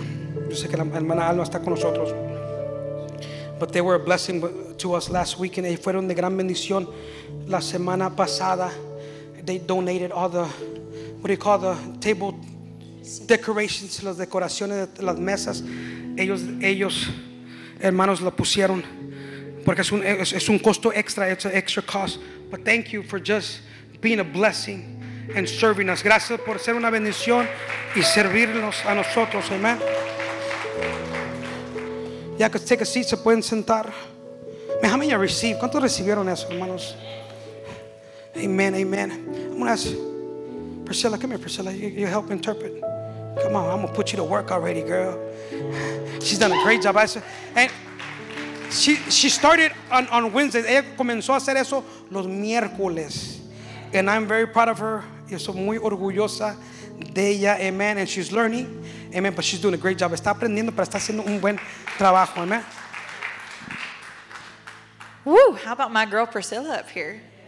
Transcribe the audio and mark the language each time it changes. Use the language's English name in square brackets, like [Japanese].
[Spanish] Yo sé que la hermana Alma está con nosotros. [English] But they were a blessing to us last weekend. [Spanish] Ellos fueron de gran bendición la semana pasada. [English] They donated all the, what do you call, the table decorations, [Spanish] las decoraciones, las mesas. Ellos hermanos lo pusieron porque es un costo extra. [English] It's an extra cost. But thank you for just being a blessing and serving us. [Spanish] Gracias por ser una bendición y servirnos a nosotros. Amen. Ya que [English] take a seat, [Spanish] se pueden sentar. [English] Man, how many received? [Spanish] ¿Cuántos recibieron eso, hermanos? [English] Amen, amen. I'm going to ask Priscilla, come here, Priscilla. You help interpret. Come on, I'm going to put you to work already, girl. She's done a great job. And she started on Wednesday. [Spanish] Ella comenzó a hacer eso los miércoles. [English] And I'm very proud of her. [Spanish] Yo soy muy orgullosa de ella. [English] Amen. And she's learning. Amen. But she's doing a great job. [Spanish] Está aprendiendo, pero está haciendo un buen trabajo. [English] Amen. Woo, how about my girl Priscilla up here?